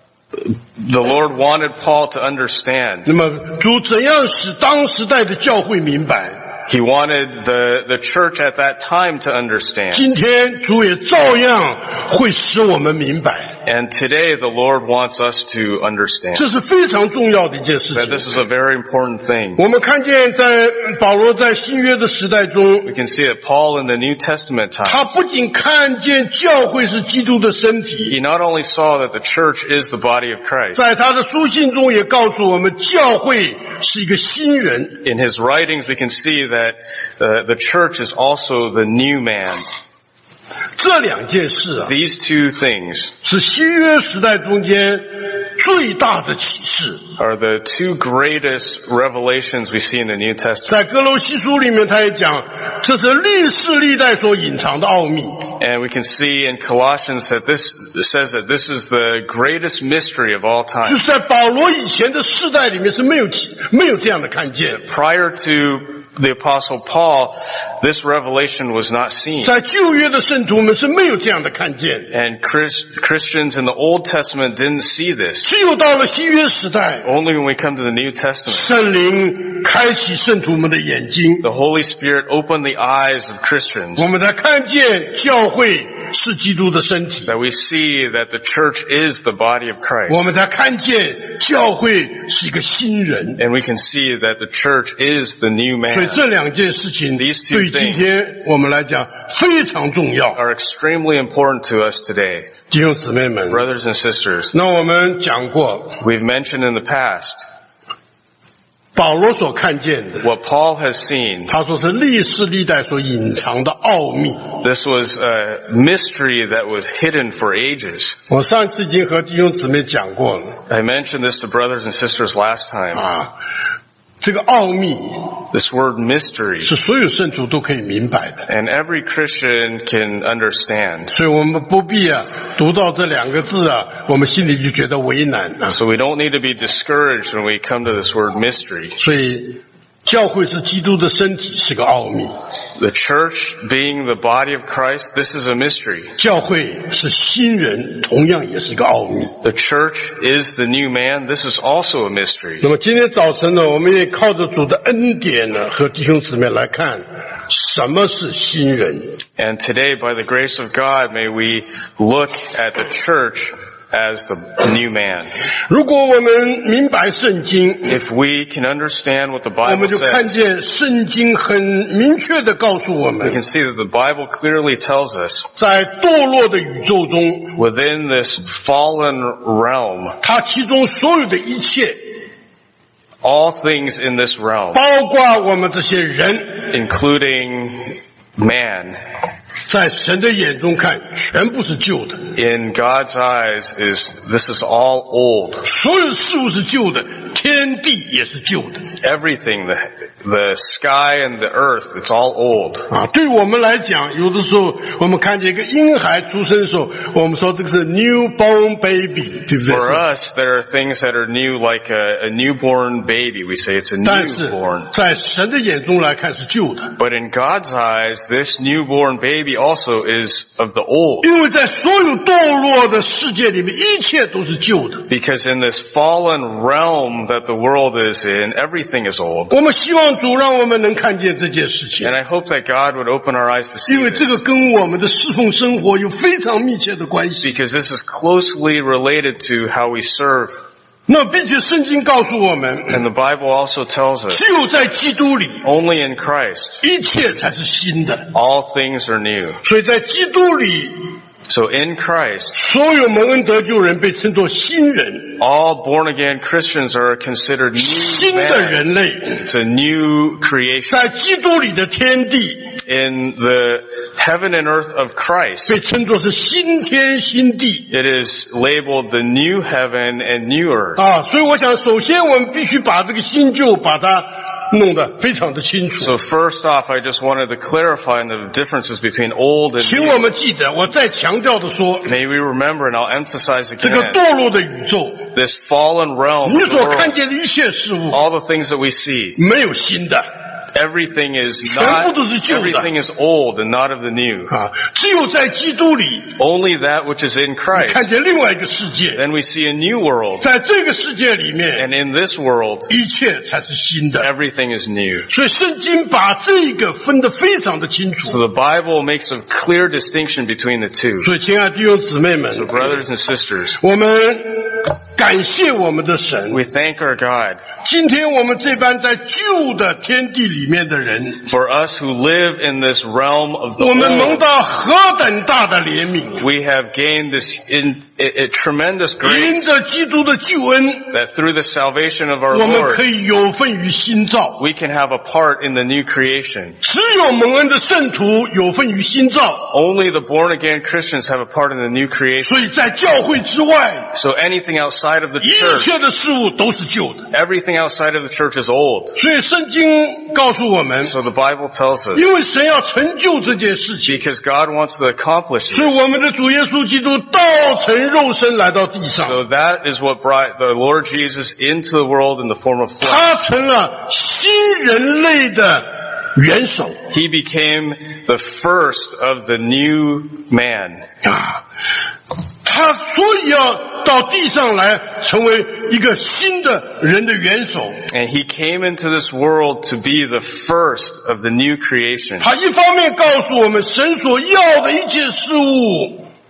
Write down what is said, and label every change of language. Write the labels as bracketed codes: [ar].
[en] The Lord wanted Paul to understand. [zh] 那么主怎样使当时代的教会明白？ [en] He wanted the church at that time to understand. [zh] 今天主也照样会使我们明白。 [en] And today the Lord wants us to understand. [zh] 这是非常重要的一件事情。 [en] That this is a very important thing. [zh] 我们看见在保罗在新约的时代中 [en] We can see that Paul in the New Testament time. [zh] 他不仅看见教会是基督的身体。 [en] He not only saw that the church is the body of Christ. [zh] 在他的书信中也告诉我们教会是一个新人。 [en] In his writings we can see that the church is also the new man. [zh] 这两件事啊 [en] These two things [zh] 是新约时代中间最大的启示 [en] are the two greatest revelations we see in the New Testament. [zh] 在哥罗西书里面他也讲这是历世历代所隐藏的奥秘 [en] And we can see in Colossians that this says that this is the greatest mystery of all time. [zh] 就是在保罗以前的世代里面是没有这样的看见 [en] Prior toThe Apostle Paul, this revelation was not seen. [zh] 在旧约的圣徒们是没有这样的看见。 [en] And Christians in the Old Testament didn't see this. [zh] 只有到了新约时代。 [en] Only when we come to the New Testament. [zh] 圣灵开启圣徒们的眼睛。 [en] The Holy Spirit opened the eyes of Christians. [zh] 我们才看见教会是基督的身体。 [en] That we see that the church is the body of Christ. [zh] 我们才看见教会是一个新人。 [en] And we can see that the church is the new man. [zh] 所以这两件事情对于今天我们来讲非常重要。 [en] Are extremely important to us today. [zh] 弟兄姊妹们 [en] Brothers and sisters. [zh] 那我们讲过 [en] We've mentioned in the past. [zh] 保罗所看见的 [en] What Paul has seen. [zh] 他说是历世历代所隐藏的奥秘。 [en] This was a mystery that was hidden for ages. [zh] 我上次已经和弟兄姊妹讲过了。 [en] I mentioned this to brothers and sisters last time. [zh] 这个奥秘 [en] This word mystery [zh] 是所有圣徒都可以明白的 [en] And every Christian can understand [zh] 所以我们不必啊读到这两个字啊我们心里就觉得为难 [en] So we don't need to be discouraged when we come to this word mystery [zh] 所以教会是基督的身体是个奥秘 [en] The church being the body of Christ this is a mystery [zh] 教会是新人同样也是个奥秘 [en] The church is the new man this is also a mystery [zh] 那么今天早晨呢我们也靠着主的恩典呢和弟兄姊妹来看什么是新人 [en] And today by the grace of God may we look at the churchAs the new man. [zh] 如果我们明白圣经 [en] If we can understand what the Bible says, [zh] 我们就看见圣经很明确地告诉我们 [en] We can see that the Bible clearly tells us, [zh] 在堕落的宇宙中 [en] Within this fallen realm, [zh] 它其中所有的一切 [en] All things in this realm, [zh] 包括我们这些人 [en] Including man, [zh] 在神的眼中看全部是旧的 [en] In God's eyes is, this is all old [zh] 所有事物是旧的天地也是旧的 [en] Everything the sky and the earth it's all old [zh] 啊，对我们来讲有的时候我们看见一个婴孩出生的时候我们说这个是 [en] newborn baby [zh] 对不对 [en] For us there are things that are new like a newborn baby we say it's a newborn [zh] 但是在神的眼中来看是旧的 [en] But in God's eyes this newborn babyBaby also is of the old. [zh] 因为在所有堕落的世界里面，一切都是旧的。 [en] Because in this fallen realm that the world is in, everything is old. [zh] 我们希望主让我们能看见这件事情。 [en] And I hope that God would open our eyes to see. [zh] 因为这个跟我们的侍奉生活有非常密切的关系。 [en] Because this is closely related to how we serve. [zh] 那并且圣经告诉我们 [en] And the Bible also tells us [zh] 只有在基督里 [en] Only in Christ [zh] 一切才是新的 [en] All things are new [zh] 所以在基督里 [en] So in Christ [zh] 所有蒙恩得救人被称作新人 [en] All born again Christians are considered new man [zh] 新的人类 [en] It's a new creation [zh] 在基督里的天地 [en] In the heaven and earth of Christ [zh] 被称作是新天新地 [en] It is labeled the new heaven and new earth [zh] 啊，所以我想首先我们必须把这个新旧把它弄得非常的清楚 [en] So first off I just wanted to clarify the differences between old and new [zh] 请我们记得我再强调的说 [en] May we remember and I'll emphasize again [zh] 这个堕落的宇宙 [en] This fallen realm [zh] 你所看见的一切事物 [en] All the things that we see [zh] 没有新的 [en] everything is not, everything is old and not of the new. [zh] 啊，只有在基督里， [en] only that which is in Christ. [zh] 你看见另外一个世界， [en] then we see a new world. [zh] 在这个世界里面， [en] and in this world, [zh] 一切才是新的， [en] everything is new. [zh] 所以圣经把这个分得非常的清楚。 [en] So the Bible makes a clear distinction between the two. [zh] 所以亲爱的弟兄姊妹们， [en] so brothers and sisters, [zh] 我们感谢我们的神。 [en] We thank our God. [zh] 今天我们这班在旧的天地里面的人， [en] For us who live in this realm of the [zh] world, 我们蒙到何等大的怜悯。 [en] We have gained this a tremendous grace. [zh] 因着基督的救恩， [en] That through the salvation of our Lord, [zh] 我们可以有份于新造。 [en] We can have a part in the new creation. [zh] 只有蒙恩的圣徒有份于新造。 [en] Only the born again Christians have a part in the new creation. [zh] 所以在教会之外， [en] So anything else outside of the church, [zh] 一切的事物都是旧的。 [en] Everything outside of the church is old. [zh] 所以圣经告诉我们， [en] So the Bible tells us, [zh] 因为神要成就这件事情， [en] Because God wants to accomplish it. [zh] 所以我们的主耶稣基督道成肉身来到地上。 [en] So that is what brought the Lord Jesus into the world in the form of flesh. [zh] 他成了新人类的元首。 [en] He became the first of the new man. [zh] 啊，他所以要到地上来成为一个新的人的元首。 [en] And he came into this world to be the first of the new creation. [zh] 他一方面告诉我们神所要的一切事物，